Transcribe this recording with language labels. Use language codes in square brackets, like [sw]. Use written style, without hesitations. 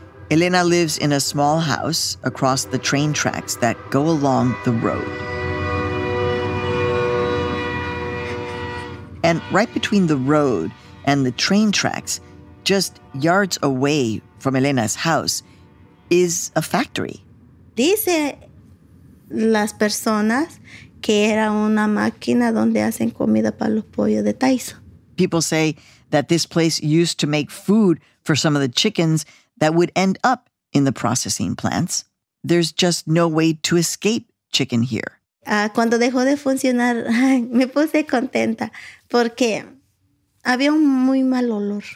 [en] Elena lives in a small house across the train tracks that go along the road. And right between the road and the train tracks, just yards away from Elena's house, is a factory. [es] Dice las personas que era una máquina donde hacen comida para los pollos de Tyson. [en] People say that this place used to make food for some of the chickens that would end up in the processing plants. There's just no way to escape chicken here. [es] Cuando dejó de funcionar, me puse contenta porque había un muy mal olor.